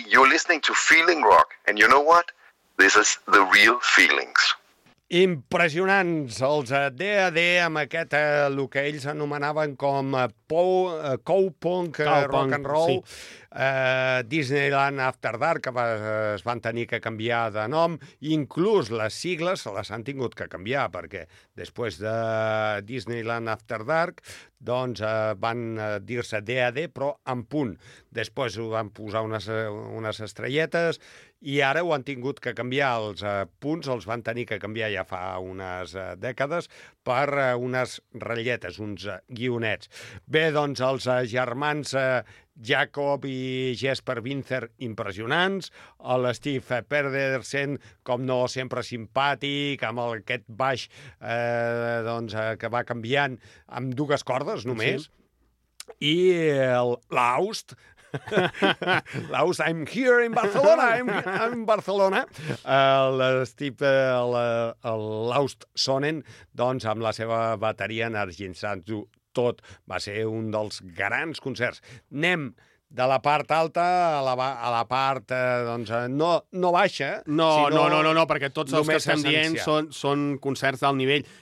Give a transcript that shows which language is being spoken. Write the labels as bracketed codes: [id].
[en] You're listening to Feeling Rock. And you know what? This is the real feelings. [ca] Impressionants, els D.A.D. amb aquest, el que ells anomenaven com cow-punk, rock and roll, Disneyland After Dark, que es van tenir que canviar de nom, inclús les sigles se les han tingut que canviar, perquè després de Disneyland After Dark, doncs van dir-se D.A.D., però en punt. Després ho van posar unes estrelletes, i ara ho han tingut que canviar, els punts els van tenir que canviar ja fa unes dècades per unes ratlletes, uns guionets. Bé, doncs els germans Jacob i Jesper Winther, impressionants, l'Steve Pedersen, com no, sempre simpàtic, amb aquest baix doncs, que va canviant amb dues cordes només, sí. I l'Aust... [en] Laus, I'm here in Barcelona, I'm Barcelona. [ca] El Laus Sonnen, doncs, amb la seva bateria energitzant-ho tot. Va ser un dels grans concerts. Anem de la part alta a la part, doncs, no baixa. No, perquè tots els que estem dient són concerts d'alt nivell.